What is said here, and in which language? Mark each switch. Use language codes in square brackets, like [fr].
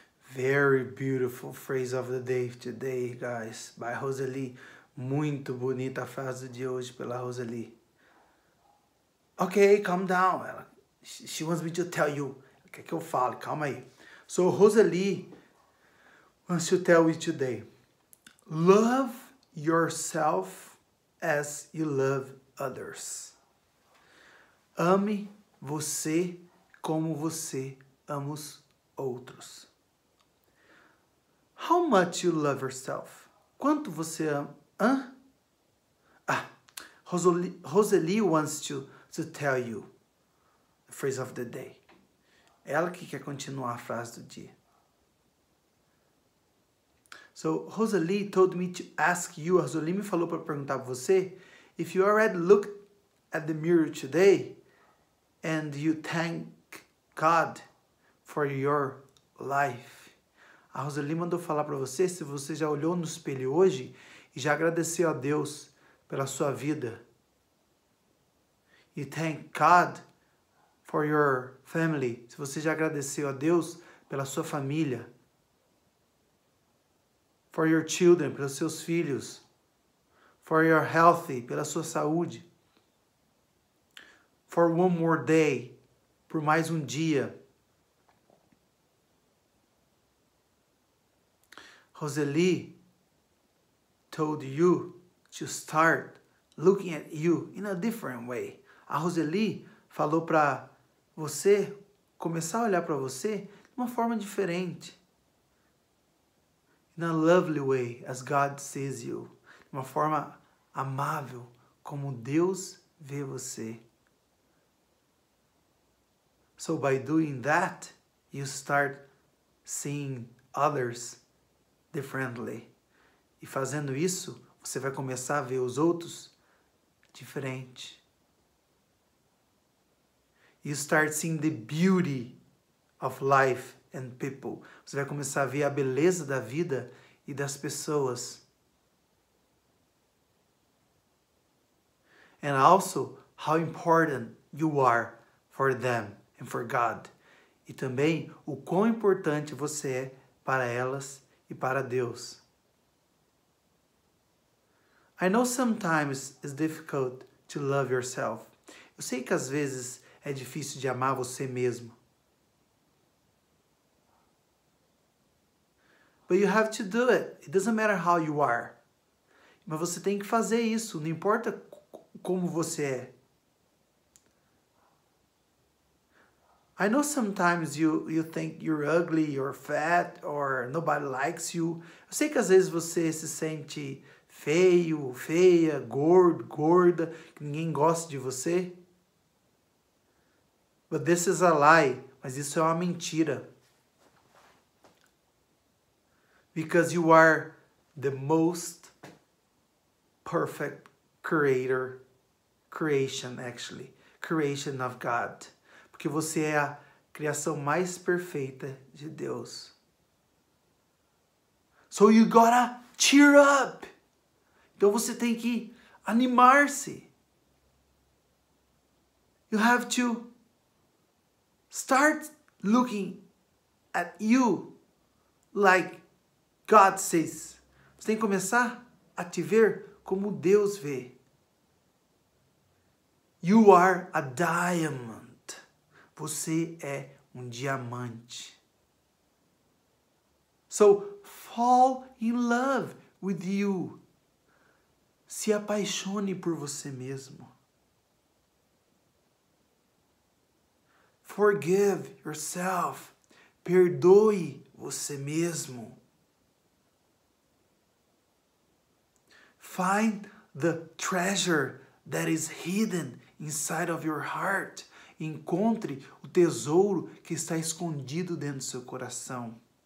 [en] Very beautiful phrase of the day today, guys. By Roseli. [pt] Muito bonita a frase de hoje pela Roseli. [en] Okay, calm down. She wants me to tell you. [pt] Quer que eu fale? Calma aí. [en] So, Roseli wants to tell you today. Love yourself as you love others. [pt] Ame você como você ama os outros. [en] How much you love yourself? [pt] Quanto você ama? [en] Roseli wants to tell you the phrase of the day. [pt] Ela que quer continuar a frase do dia. [en] So, Roseli told me to ask you, [pt] Roseli me falou para perguntar para você, [en] if you already looked at the mirror today and you thank God for your life. [pt] A Roseli mandou falar para você se você já olhou no espelho hoje e já agradeceu a Deus pela sua vida. [en] You thank God for your family. [pt] Se você já agradeceu a Deus pela sua família. [en] For your children, [pt] pelos seus filhos. [en] For your health, [pt] pela sua saúde. [en] For one more day, [pt] por mais um dia. [en] Roseli told you to start looking at you in a different way. [pt] A Roseli falou para você começar a olhar para você de uma forma diferente. [en] In a lovely way, as God sees you. [pt] De uma forma amável, como Deus vê você. [en] So by doing that, you start seeing others differently. [pt] E fazendo isso, você vai começar a ver os outros diferente. [en] You start seeing the beauty of life and people. [pt] Você vai começar a ver a beleza da vida e das pessoas. [en] And also, how important you are for them and for God. [pt] E também, o quão importante você é para elas e para Deus. [en] I know sometimes it's difficult to love yourself. [pt] Eu sei que às vezes é difícil de amar você mesmo. [en] But you have to do it. It doesn't matter how you are. [pt] Mas você tem que fazer isso. Não importa como você é. [en] I know sometimes you think you're ugly, you're fat, or nobody likes you. [pt] Eu sei que às vezes você se sente feio, feia, gordo, gorda, que ninguém gosta de você. [en] But this is a lie. [pt] Mas isso é uma mentira. [en] Because you are the most perfect creation of God. [pt] Porque você é a criação mais perfeita de Deus. [en] So you gotta cheer up. [pt] Então você tem que animar-se. [en] You have to start looking at you like God says. [pt] Você tem que começar a te ver como Deus vê. [en] You are a diamond. [pt] Você é um diamante. [en] So, fall in love with you. [pt] Se apaixone por você mesmo. [en] Forgive yourself. [pt] Perdoe você mesmo. [en] Find the treasure that is hidden inside of your heart. [pt] Encontre o tesouro que está escondido dentro do seu coração.